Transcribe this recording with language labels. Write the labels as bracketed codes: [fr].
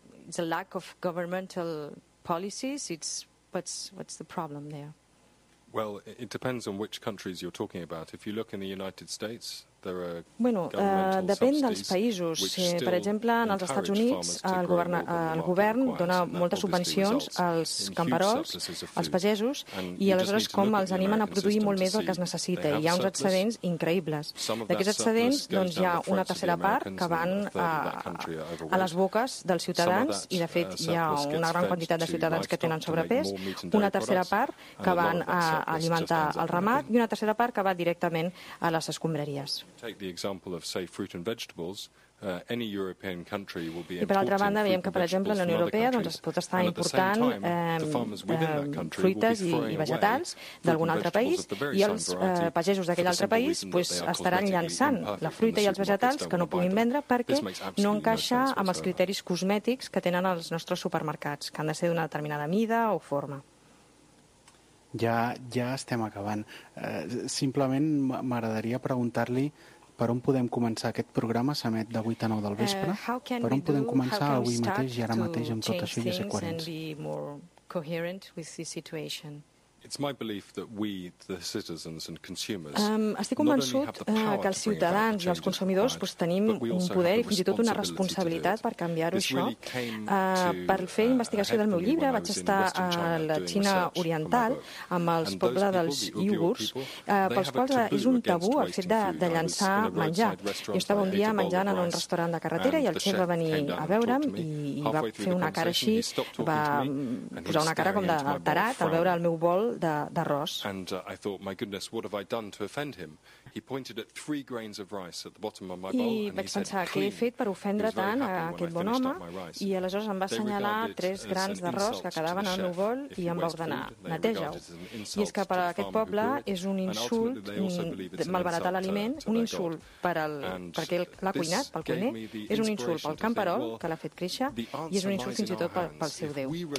[en] It's a lack of governmental policies. What's the problem there? Well, it depends on which countries you're talking about. If you look in the United States, there are [ca] depèn dels països. Per exemple, en els Estats Units, el govern dona moltes subvencions als camperols, als pagesos, i aleshores com els animen a produir molt més del que es necessita. Hi ha uns excedents increïbles. D'aquests excedents, doncs, hi ha una tercera part que van a les boques dels ciutadans, i de fet hi ha una gran quantitat de ciutadans que tenen sobrepès, una tercera part que van a alimentar el ramat i una tercera part que va directament a les escombraries. [en] Take the example of, say, fruit and vegetables. Any European country will be. [ca] I per altra banda, veiem que, per exemple, la Unió Europea doncs es pot estar important fruites i vegetals d'algun altre país i els pagesos d'aquell altre país pues, estaran llançant la fruita i els vegetals que no puguin vendre perquè no encaixa amb els criteris cosmètics que tenen els nostres supermercats, que han de ser d'una determinada mida o forma. Ja estem acabant. Simplement m'agradaria preguntar-li per on podem començar aquest programa, s'emet de 8 a 9 del vespre. Per on podem començar avui mateix i ara mateix amb tot això i ser coherents? [en] It's my belief that we, the citizens and consumers, [ca] estic convençut que els ciutadans i els consumidors pues, tenim un poder i fins i tot una responsabilitat per canviar-ho això. Per fer investigació del meu llibre vaig estar a la Xina Oriental amb els pobles dels Uigurs, pels quals és un tabú el fet de llançar menjar. Jo estava un dia menjant en un restaurant de carretera i el xef va venir a veure'm i va fer una cara així, va posar una cara com d'alterat al veure el meu bol d'arròs. [en] And I thought, my goodness, what have I done to offend him? He pointed at 3 grains of rice at the bottom of my bowl. [ca] I vaig pensar, què he fet per ofendre tant a aquest bon home? I aleshores em va assenyalar 3 grans d'arròs que quedaven al meu bol i em va ordenar, neteja-ho. I és que per a aquest poble és un insult malbaratar l'aliment, un insult perquè l'ha cuinat, pel cuiner, és un insult pel camperol que l'ha fet créixer i és un insult fins i tot pel seu Déu.